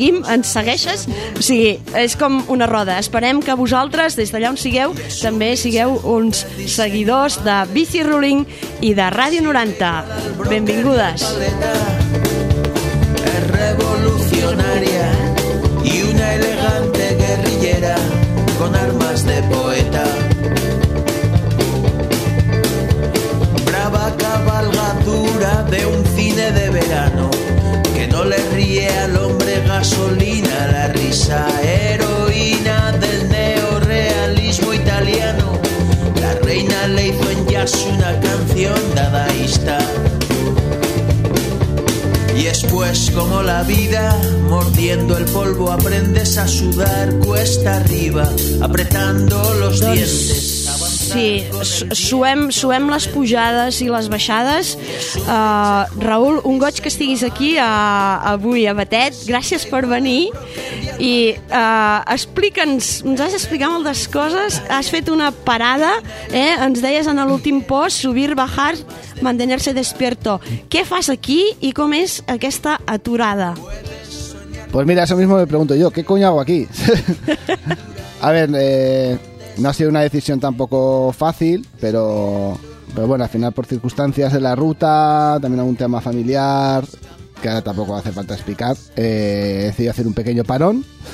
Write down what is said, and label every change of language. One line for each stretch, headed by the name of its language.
Catalan: Ens segueixes? O sigui, és com una roda. Esperem que vosaltres, des d'allà on sigueu, també sigueu uns seguidors de Bici Ruling i de Ràdio 90. Benvingudes.
Spanish: Es revolucionaria y una elegante guerrillera con armas de poeta. Brava cabalgadura de un cine de verano que no le ríe al hombre gasolina la risa. Heroína del neorrealismo italiano, la reina le hizo en jazz una canción dadaísta. Y es pues como la vida, mordiendo el polvo aprendes a sudar cuesta arriba, apretando los dientes.
Catalan: Sí, suem les pujades i les baixades. Raül, un goig que estiguis aquí avui a Batet. Gràcies per venir. I explica'ns, ens has explicat moltes coses. Has fet una parada, eh? Ens deies en l'últim post,
Spanish: subir, bajar, mantenerse despierto.
Catalan: Què fas aquí i com és aquesta aturada?
Spanish: Pues mira, eso mismo me pregunto yo. ¿Qué coño hago aquí? A ver, no ha sido una decisión tampoco fácil, pero bueno, al final por circunstancias de la ruta, también algún tema familiar, que ahora tampoco hace falta explicar, he decidido hacer un pequeño parón.